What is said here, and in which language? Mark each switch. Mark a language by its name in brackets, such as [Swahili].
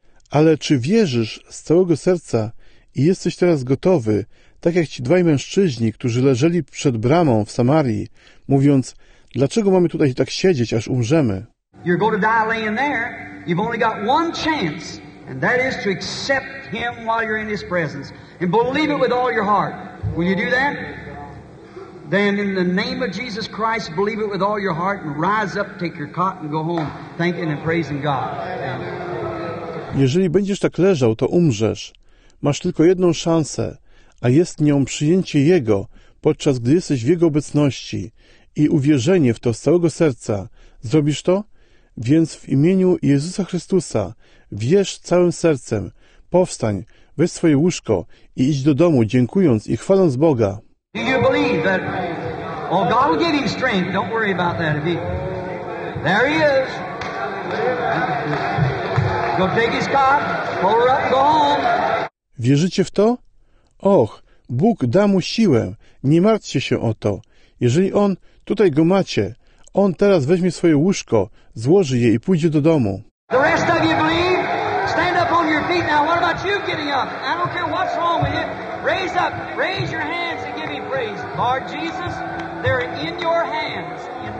[Polish] Ale czy wierzysz z całego serca i jesteś teraz gotowy, tak jak ci dwaj mężczyźni, którzy leżeli przed bramą w Samarii, mówiąc, dlaczego mamy tutaj tak siedzieć, aż umrzemy? [English] You're going to die laying there. You've only got one chance, and that is to accept him while you're in his presence and believe it with all your heart. Will you do that? Then in the name of Jesus Christ, believe it with all your heart and rise up, take your cot and go home, thanking and praising God. Amen. [Polish] Jeżeli będziesz tak leżał, to umrzesz. Masz tylko jedną szansę, a jest nią przyjęcie Jego, podczas gdy jesteś w Jego obecności i uwierzenie w to z całego serca. Zrobisz to? Więc w imieniu Jezusa Chrystusa wierz całym sercem. Powstań, weź swoje łóżko i idź do domu, dziękując i chwaląc Boga. [English] Do you believe that? Well, God will give you strength. Don't worry about that. There he is. Go take his car, pull her up, go home. [Polish] Wierzycie w to? Och, Bóg da mu siłę. Nie martwcie się o to. Jeżeli on, tutaj go macie, on teraz weźmie swoje łóżko, złoży je i pójdzie do domu. [English] The rest of you believe? Stand up on your feet now. What about you getting up? I don't care what's wrong with you. Raise up, raise your hands and give him praise. Lord Jesus, they're in your hands.